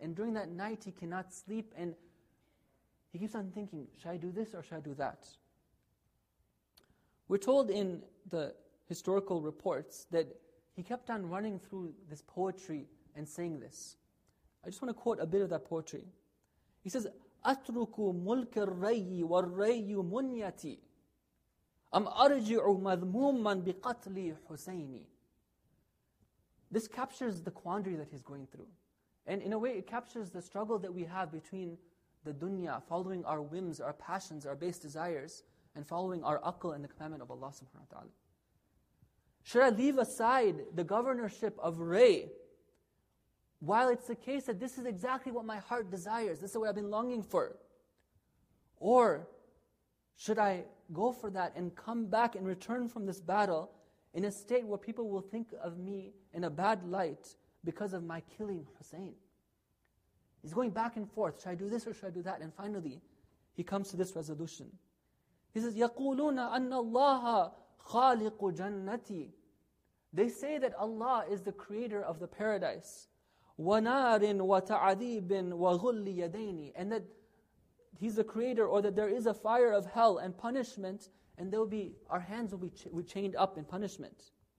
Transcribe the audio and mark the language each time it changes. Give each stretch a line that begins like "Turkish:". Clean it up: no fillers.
English: And during that night, he cannot sleep. And he keeps on thinking, should I do this or should I do that? We're told in the historical reports that he kept on running through this poetry and saying this. I just want to quote a bit of that poetry. He says,
Arabic: أَتْرُكُ مُلْكَ الرَّيِّ وَالرَّيُّ مُنْيَتِي أَمْ أَرْجِعُ مَذْمُومًا بِقَتْلِ حُسَيْنِ.
English: This captures the quandary that he's going through. And in a way, it captures the struggle that we have between the dunya, following our whims, our passions, our base desires, and following our aql and the commandment of Allah subhanahu wa ta'ala. Should I leave aside the governorship of Ray while it's the case that this is exactly what my heart desires, this is what I've been longing for? Or should I go for that and come back and return from this battle in a state where people will think of me in a bad light because of my killing Hussein? He's going back and forth. Should I do this or should I do that? And finally, he comes to this resolution. He says,
Arabic: يَقُولُونَ أَنَّ اللَّهَ خَالِقُ جَنَّتِي.
English: They say that Allah is the creator of the paradise.
Arabic: وَنَارٍ وَتَعَذِيبٍ وَغُلِّ يَدَيْنِي.
English: And that He's the creator, or that there is a fire of hell and punishment, and our hands will be chained up in punishment.